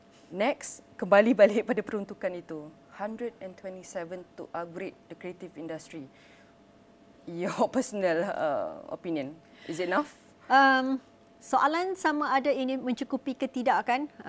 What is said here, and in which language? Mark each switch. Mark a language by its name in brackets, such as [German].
[Malay] Next, kembali balik pada peruntukan itu. [English] 127 to upgrade the creative industry. Your personal opinion. Is it enough? [Malay] Soalan sama ada ini mencukupi ke tidak kan?